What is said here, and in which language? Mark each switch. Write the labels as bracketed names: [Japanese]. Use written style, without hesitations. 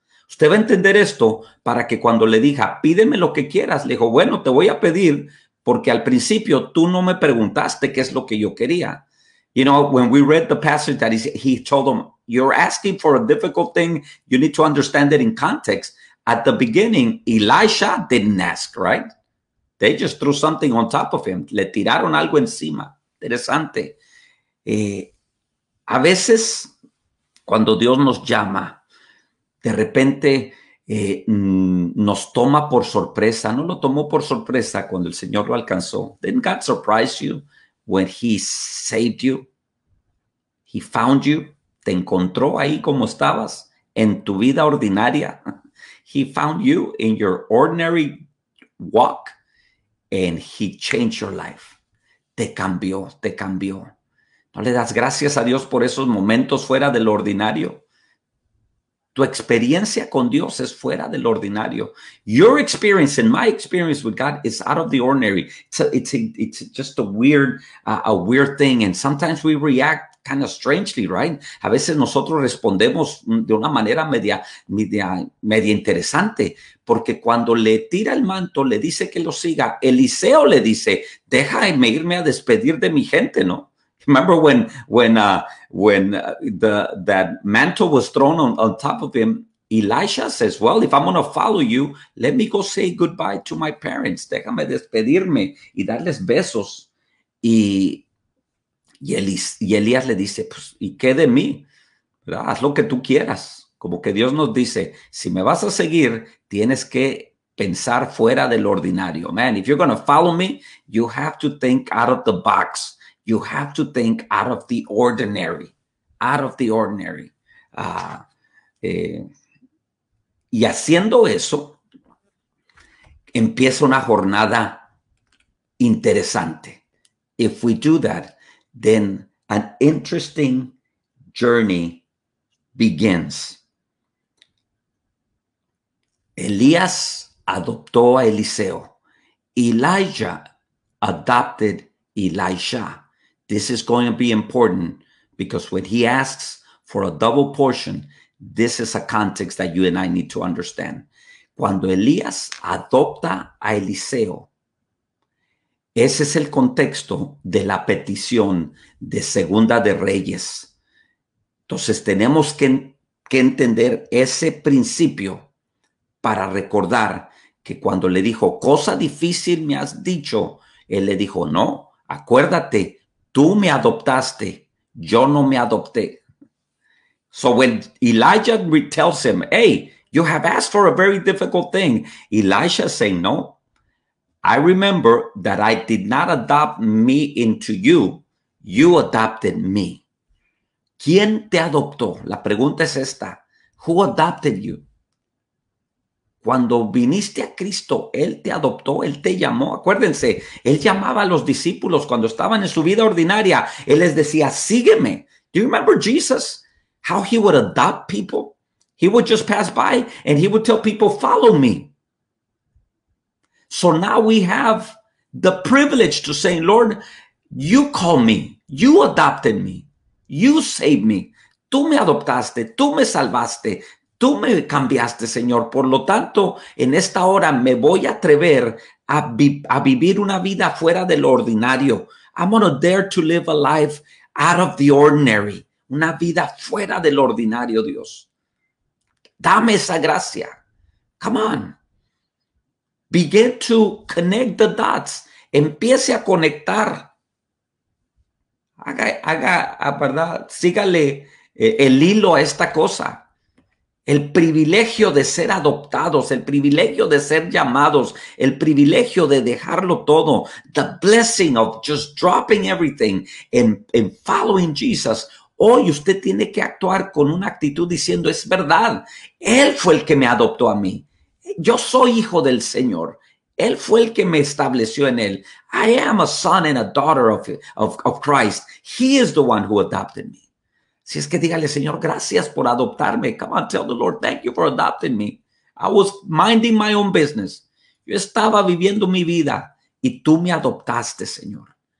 [Spanish] Usted va a entender esto para que cuando le diga, pídeme lo que quieras, le dijo, bueno, te voy a pedir porque al principio tú no me preguntaste qué es lo que yo quería. [English] You know, when we read the passage that he told him, you're asking for a difficult thing, you need to understand it in context. At the beginning, Elisha didn't ask, right? They just threw something on top of him. [Spanish] Le tiraron algo encima. Interesante. A veces, cuando Dios nos llama, de repente nos toma por sorpresa. No lo tomó por sorpresa cuando el Señor lo alcanzó. [English] Didn't God surprise you when he saved you? He found you. [Spanish] Te encontró ahí como estabas en tu vida ordinaria. [English] He found you in your ordinary walk and he changed your life. [Spanish] Te cambió. ¿No le das gracias a Dios por esos momentos fuera del ordinario? Tu experiencia con Dios es fuera del ordinario. [English] Your experience and my experience with God is out of the ordinary. It's just a weird thing. And sometimes we react kind of strangely, right? [Spanish] A veces nosotros respondemos de una manera media interesante, porque cuando le tira el manto, le dice que lo siga, Eliseo le dice, déjame irme a despedir de mi gente, ¿no? [English] Remember when that mantle was thrown on top of him, Elisha says, well, if I'm going to follow you, let me go say goodbye to my parents. [Spanish] Déjame despedirme y darles besos. Y Elías le dice, pues, ¿y qué de mí? ¿Verdad? Haz lo que tú quieras. Como que Dios nos dice, si me vas a seguir, tienes que pensar fuera del ordinario. [English] Man, if you're going to follow me, you have to think out of the box. You have to think out of the ordinary. Out of the ordinary. [Spanish] Y haciendo eso, empieza una jornada interesante. [English] If we do that, then an interesting journey begins. [Spanish] Elías adoptó a Eliseo. [English] Elijah adopted Elisha. This is going to be important because when he asks for a double portion, this is a context that you and I need to understand. [Spanish] Cuando Elías adopta a Eliseo, ese es el contexto de la petición de Segunda de Reyes. Entonces tenemos que entender ese principio para recordar que cuando le dijo, cosa difícil me has dicho, él le dijo, no, acuérdate, tú me adoptaste, yo no me adopté. [English] So when Elijah retells him, hey, you have asked for a very difficult thing, Elisha saying, no, I remember that I did not adopt me into you, you adopted me. [Spanish] ¿Quién te adoptó? La pregunta es esta, [English] who adopted you? [Spanish] Cuando viniste a Cristo, Él te adoptó, Él te llamó. Acuérdense, Él llamaba a los discípulos cuando estaban en su vida ordinaria. Él les decía, sígueme. [English] Do you remember Jesus? How he would adopt people? He would just pass by and he would tell people, follow me. So now we have the privilege to say, Lord, you call me. You adopted me. You saved me. [Spanish] Tú me adoptaste. Tú me salvaste. Tú me cambiaste, Señor. Por lo tanto, en esta hora me voy a atrever a vivir una vida fuera de lo ordinario. [English] I'm going to dare to live a life out of the ordinary. [Spanish] Una vida fuera de lo ordinario, Dios. Dame esa gracia. [English] Come on. Begin to connect the dots. [Spanish] Empiece a conectar. Haga, ¿verdad? Sígale el hilo a esta cosa. El privilegio de ser adoptados, el privilegio de ser llamados, el privilegio de dejarlo todo, [English] the blessing of just dropping everything and following Jesus. [Spanish] Hoy usted tiene que actuar con una actitud diciendo, es verdad, Él fue el que me adoptó a mí. Yo soy hijo del Señor. Él fue el que me estableció en Él. [English] I am a son and a daughter of Christ. He is the one who adopted me. [Spanish] Si es que dígale, Señor, gracias por adoptarme. [English] Come on, tell the Lord, thank you for adopting me. I was minding my own business. [Spanish] Yo estaba viviendo mi vida y tú me adoptaste, Señor.